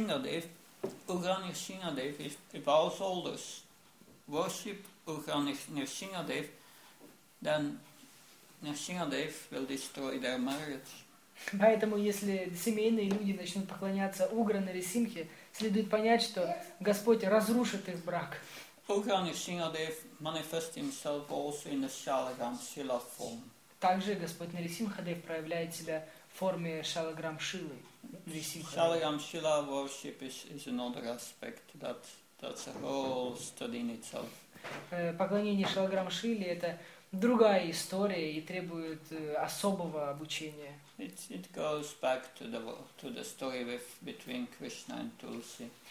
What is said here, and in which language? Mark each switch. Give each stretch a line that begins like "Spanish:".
English: If our soldiers worship Ugra Nrsimhadev, then Nrsimhadev will destroy their marriage.
Russian: Поэтому, если семейные люди начнут поклоняться Ugra Nrsimhi, следует понять, что Господь разрушит их брак.
English: Ugra Nrsimhadev manifests himself also in the Shalagram Shila form.
Russian: Также Господь Нарисимхадев проявляет себя в форме Шалаграм Шилы.
English: Shalagram Shila worship is another aspect that's a whole study in itself.
Russian: Поклонение Шалаграм Шиле это другая история и требует особого обучения.
English: It goes back to the story between Krishna and Tulsi.